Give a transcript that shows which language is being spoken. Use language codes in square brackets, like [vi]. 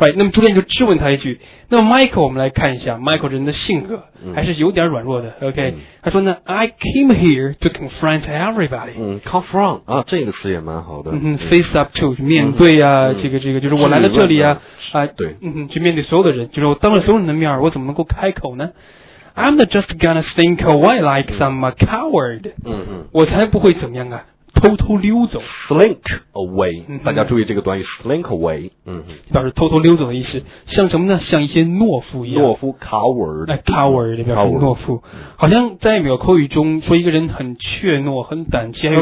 [en] right， [zh] 那么朱莉安就质问他一句，那么 Michael 我们来看一下 Michael 人的性格还是有点软弱的，嗯， [en] OK， [zh] 他说呢 [en] I came here to confront everybody， [zh] 嗯 confront 啊这个词也蛮好的，嗯，up to 面对啊，嗯，这个就是我来了这里啊，对，嗯，去面对所有的人，就是我当着所有人的面我怎么能够开口呢？ [en] I'm not just gonna sneak away like some coward， [zh] 嗯嗯，我才不会怎么样啊，偷偷溜走 [en] slink away， [zh] 嗯，大家注意这个短语 [en] slink away， [zh] 嗯，表示偷偷溜走的意思，像什么呢？像一些懦夫一样，懦夫 coward， coward 表示懦夫，好像在美国口语中说一个人很怯懦、很胆怯，还有